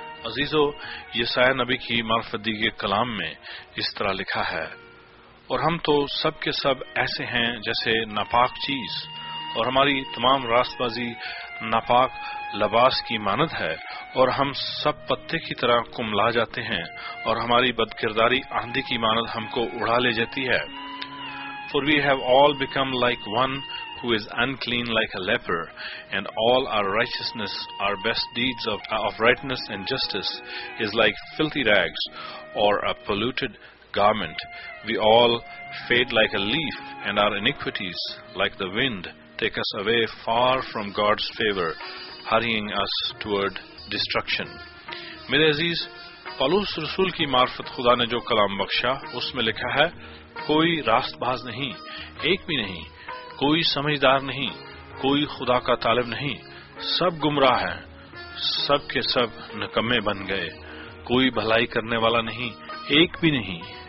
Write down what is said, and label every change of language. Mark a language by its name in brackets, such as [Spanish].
[Urdu] عزیزو، یسعیا نبی کی معرفت دی گئے کلام میں اس طرح لکھا ہے، اور ہم تو سب کے سب ایسے ہیں جیسے ناپاک چیز، اور ہماری تمام راست بازی ناپاک لباس کی مانند ہے، اور ہم سب پتے کی طرح کملا جاتے ہیں، اور ہماری بدکرداری آندھی کی مانند ہم کو اڑا لے جاتی ہے۔ [English] For we have all become like one who is unclean like a leper, and all our righteousness, our best deeds of rightness and justice is like filthy rags or a polluted garment. We all fade like a leaf, and our iniquities like the wind take us away far from God's favor, hurrying us toward destruction. [Urdu] میرے عزیز، police رسول کی معرفت خدا نے جو کلام بخشا اس میں لکھا ہے، کوئی راست باز نہیں، ایک بھی نہیں، کوئی سمجھدار نہیں، کوئی خدا کا طالب نہیں، سب گمراہ ہیں، سب کے سب نکمے بن گئے، کوئی بھلائی کرنے والا نہیں، ایک بھی نہیں،